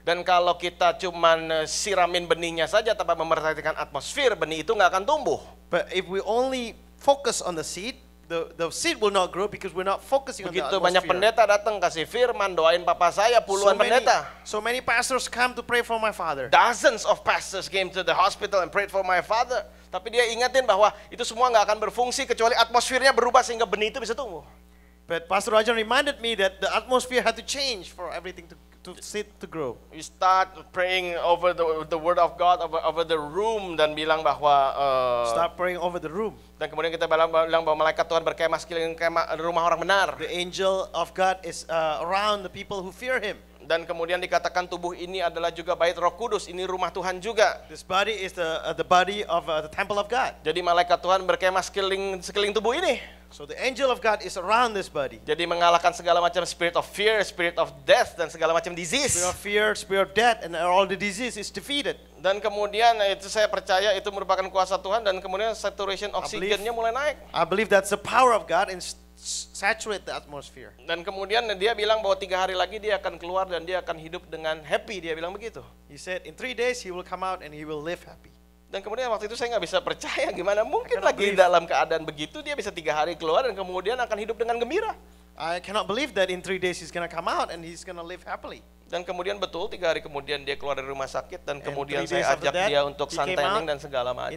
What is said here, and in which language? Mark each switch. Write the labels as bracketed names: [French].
[Indonesian] Dan kalau kita cuman siramin benihnya saja tanpa memperhatikan atmosfer, benih itu enggak akan tumbuh. [English] But if we only focus on the seed, the seed will not grow because we're not focusing [Indonesian] begitu [English] on the atmosphere. [Indonesian] Begitu banyak pendeta datang kasih firman, doain papa saya puluhan pendeta. [English] So many pastors come to pray for my father. Dozens of pastors came to the hospital and prayed for my father. [Indonesian] Tapi dia ingatin bahwa itu semua enggak akan berfungsi kecuali atmosfernya berubah sehingga benih itu bisa tumbuh. [English] But Pastor Rajan reminded me that the atmosphere had to change for everything to grow. We start praying over the word of God over the room [Indonesian] dan bilang bahwa [English] start praying over the room. [Indonesian] Dan kemudian kita bilang bahwa malaikat Tuhan berkemah sekeliling rumah orang benar. [English] The angel of God is around the people who fear him. [Indonesian] Dan kemudian dikatakan tubuh ini adalah juga bait Roh Kudus, ini rumah Tuhan juga. [English] This body is the body of the temple of God. [Indonesian] Jadi malaikat Tuhan berkemah sekeliling tubuh ini. [English] So the angel of God is around this body. [Indonesian] Jadi mengalahkan segala macam [English] spirit of fear, spirit of death, [Indonesian] dan segala macam disease. [English] Spirit of fear, spirit of death, and all the disease is defeated. [Indonesian] Dan kemudian itu saya percaya itu merupakan kuasa Tuhan, dan kemudian saturation oksigennya mulai naik. [English] I believe that's the power of God in saturate the atmosphere. [Indonesian] Dan kemudian dia bilang bahwa 3 hari lagi dia akan keluar dan dia akan hidup dengan happy. Dia bilang begitu. [English] He said in 3 days he will come out and he will live happy. [Indonesian] Dan kemudian waktu itu saya enggak bisa percaya gimana mungkin lagi believe. Dalam keadaan begitu dia bisa 3 hari keluar dan kemudian akan hidup dengan gembira. [English] I cannot believe that in 3 days he's going to come out and he's going to live happily. [Indonesian] Dan kemudian betul 3 hari kemudian dia keluar dari rumah sakit dan kemudian saya ajak dia untuk santaining dan segala macam.